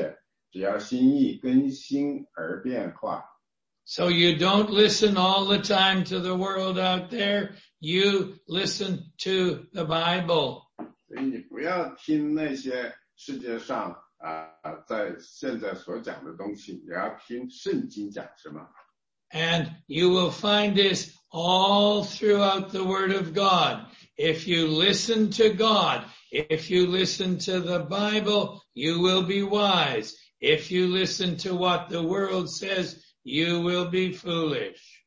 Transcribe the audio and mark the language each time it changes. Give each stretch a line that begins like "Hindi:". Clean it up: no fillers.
Chinese: 那这里呢，讲的是罗马书第十二章的第二节，不要效法这个世界，只要心意更新而变化。
English: So you don't listen all the time to the world out there. You listen to the Bible.
Chinese: 所以你不要听那些世界上在现在所讲的东西，你要听圣经讲什么。
English: And you will find this all throughout the Word of God. If you listen to God, if you listen to the Bible, you will be wise. If you listen to what the world says, you will be foolish.